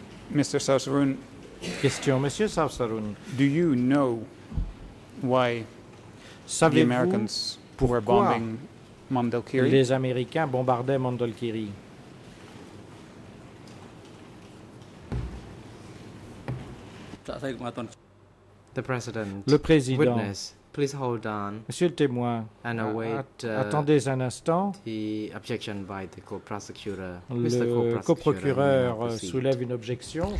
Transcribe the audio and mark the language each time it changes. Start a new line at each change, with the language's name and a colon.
English: Mr. Sausarun, question, Monsieur Sausarun, do you know why the Americans were bombing Mandalkiri?
French: Les Américains bombardaient Mandalkiri.
English: The president.
French: Le président.
English: Witness, please hold on.
French: Monsieur le témoin.
English: And await,
French: attendez un instant.
English: The objection by the co-prosecutor.
French: Le
English: Mr.
French: co-procureur soulève une objection.